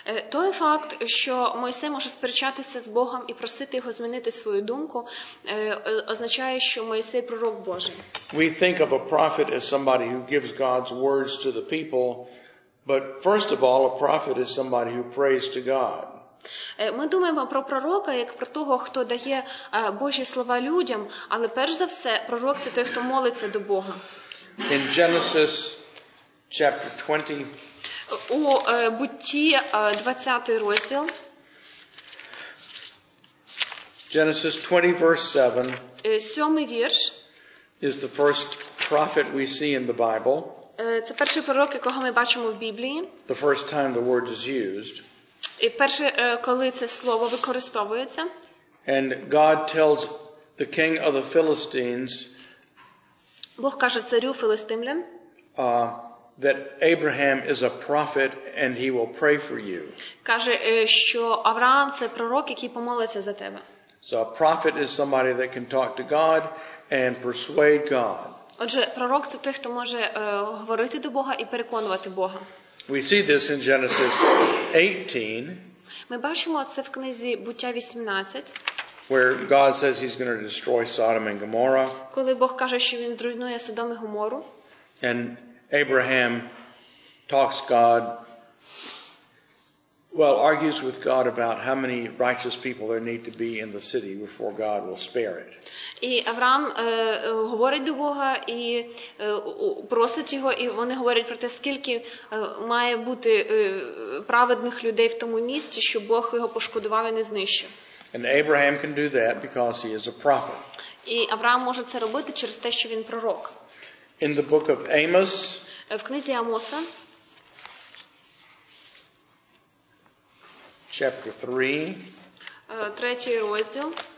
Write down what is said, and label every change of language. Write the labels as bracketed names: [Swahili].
[Ukrainian] Той факт, що Мойсей може сперечатися з Богом і просити його змінити свою думку, означає, що Мойсей пророк Божий. [English] We think of a prophet as somebody who gives God's words to the people, but first of all, a prophet is somebody who prays to God. [Ukrainian] Ми думаємо про пророка як про того, хто дає Божі слова людям, але перш за все, пророк це той, хто молиться до Бога. [English] In Genesis chapter 20, [Ukrainian] у Бутті 20 розділ. [English] Genesis 20 verse 7. [Ukrainian] Сьомий вірш. [English] Is the first prophet we see in the Bible. [Ukrainian] Це перший пророк, якого ми бачимо в Біблії. [English] The first time the word is used. [Ukrainian] І перше, коли це слово використовується. [English] And God tells the king of the Philistines. [Ukrainian] Бог каже царю філістимлян. [English] That Abraham is a prophet and he will pray for you. [Ukrainian] Каже, що Авраам це пророк, який помолиться за тебе. [English] So a prophet is somebody that can talk to God and persuade God. [Ukrainian] Отже, пророк це той, хто може говорити до Бога і переконувати Бога. [English] We see this in Genesis 18. [Ukrainian] Ми бачимо це в книзі Буття 18. [English] Where God says he's going to destroy Sodom and Gomorrah. [Ukrainian] Коли Бог каже, що він зруйнує Содом і Гоморру. [English] And Abraham talks God, well, argues with God about how many righteous people there need to be in the city before God will spare it. [Ukrainian] І Авраам говорить до Бога і просить його, і вони говорять про те, скільки має бути праведних людей в тому місці, щоб Бог його пошкодував і не знищив. [English] And Abraham can do that because he is a prophet. [Ukrainian] І Авраам може це робити через те, що він пророк. [English] In the book of Amos, [Ukrainian] в книзі Амоса, [English] chapter 3, [Ukrainian] третій розділ,